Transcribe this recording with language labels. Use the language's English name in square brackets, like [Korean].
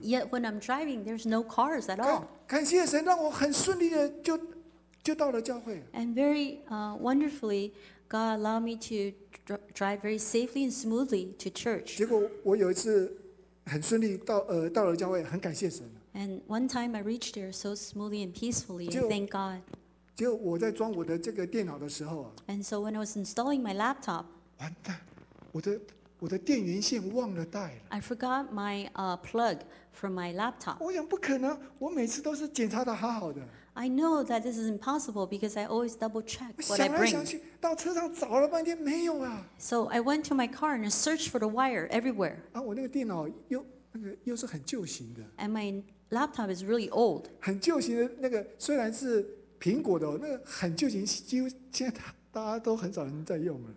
[English] Yet when I'm driving, there's no cars at all. [Chinese] 感谢神，让我很顺利的就到了教会。 [English] And very wonderfully, God allowed me to drive very safely and smoothly to church. [Chinese] 结果我有一次很顺利到了教会，很感谢神。 [English] And one time I reached there so smoothly and peacefully, and thank God. [Chinese] 就我在装我的这个电脑的时候啊。 [English] And so when I was installing my laptop. [Chinese] 完蛋，我的电源线忘了带了。 [English] I forgot my plug for my laptop. [Chinese] 我想不可能，我每次都是检查的好好的。 [English] I know that this is impossible because I always double check what I bring. [Chinese] 想来想去，到车上找了半天没有啊。 [English] So I went to my car and searched for the wire everywhere. [Chinese] 啊，我那个电脑又。那个又是很旧型的 [English] ，and my laptop is really old。 [Chinese] 很旧型的那个，虽然是苹果的、哦，那个很旧型，几乎现在大家都很少人在用了。